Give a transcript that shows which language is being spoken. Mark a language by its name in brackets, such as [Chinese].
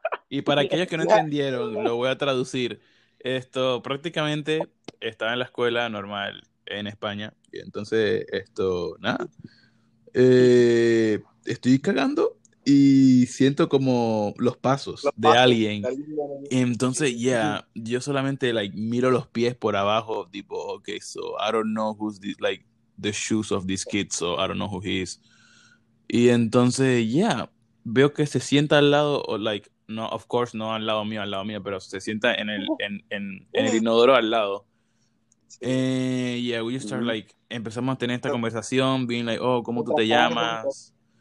[Spanish] Y para aquellos que no entendieron, lo voy a traducir. Esto prácticamente estaba en la escuela normal. En España, y entonces estoy cagando y siento como los pasos de alguien. Y entonces, yo solamente like miro los pies por abajo, tipo, [English] okay, so I don't know who's this, like the shoes of this kid, so I don't know who he is. [Spanish] Y entonces, veo que se sienta al lado, o [English] like, no, of course, [Spanish] no al lado mío, pero se sienta en el inodoro al lado. [English] We just start like [Spanish] empezamos a tener esta conversación, [English] being like, oh, [Spanish] ¿cómo tú te llamas?